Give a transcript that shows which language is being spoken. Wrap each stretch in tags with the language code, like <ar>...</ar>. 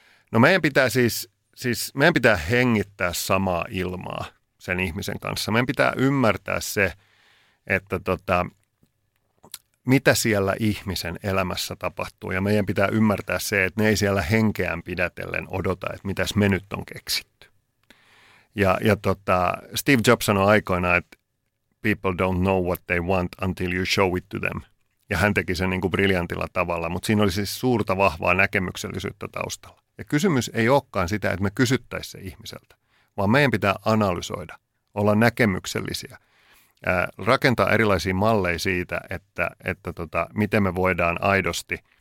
<fi>No meidän pitää siis meidän pitää hengittää samaa ilmaa sen ihmisen kanssa. Meidän pitää ymmärtää se, että mitä siellä ihmisen elämässä tapahtuu. Ja meidän pitää ymmärtää se, että ne ei siellä henkeään pidätellen odota, että mitäs me nyt on keksitty. Ja Steve Jobs sanoi aikoinaan, että</fi> <en>people don't know what they want until you show it to them.</en> <fi>Ja hän teki sen niin kuin briljantilla tavalla, mutta siinä oli siis suurta vahvaa näkemyksellisyyttä taustalla. Ja kysymys ei olekaan sitä, että me kysyttäisiin se ihmiseltä, vaan meidän pitää analysoida, olla näkemyksellisiä, rakentaa erilaisia malleja siitä, että miten me voidaan aidosti</fi>